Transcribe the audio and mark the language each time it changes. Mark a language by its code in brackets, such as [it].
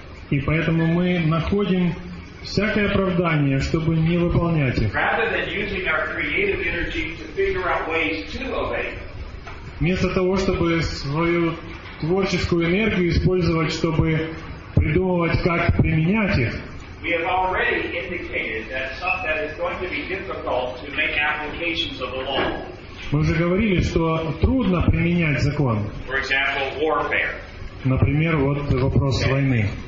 [ru] И поэтому мы находим всякое оправдание, чтобы не выполнять их. [en] Rather than using our creative energy to figure out ways to obey. [ru] Вместо того, чтобы свою творческую энергию использовать, чтобы придумывать, как применять их. [en] We have already indicated that something is going to be difficult to make applications of the law. [ru] Мы уже говорили, что трудно применять закон. [en] For example, warfare. [ru] Например, вот вопрос войны.